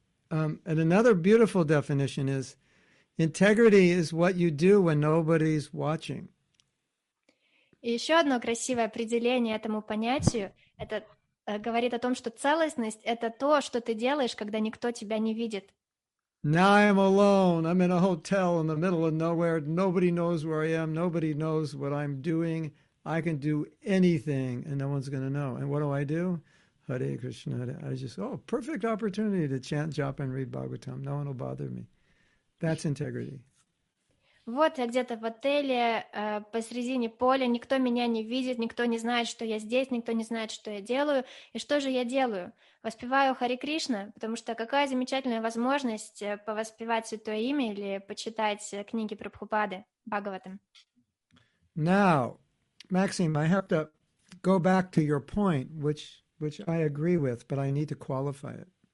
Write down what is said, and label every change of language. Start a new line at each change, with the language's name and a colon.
English: And another beautiful definition is integrity is what you do when nobody's watching.
Russian: И еще одно красивое определение этому понятию — это говорит о том, что целостность — это то, что ты делаешь, когда никто тебя не видит.
English: Now I'm alone. I'm in a hotel in the middle of nowhere. Nobody knows where I am. Nobody knows what I'm doing. I can do anything, and no one's going to know. And what do? Hare Krishna. Perfect opportunity to chant, jop, and read Bhagavatam. No one will bother me. That's integrity.
Russian: Вот я где-то в отеле, посредине поля, никто меня не видит, никто не знает, что я здесь, никто не знает, что я делаю. И что же я делаю? Воспеваю Харе Кришна, потому что какая замечательная возможность повоспевать Святое Имя или почитать книги Прабхупады, Бхагаватам.
English: Now, Maxime, I have to go back to your point, which I agree with, but I need to qualify it.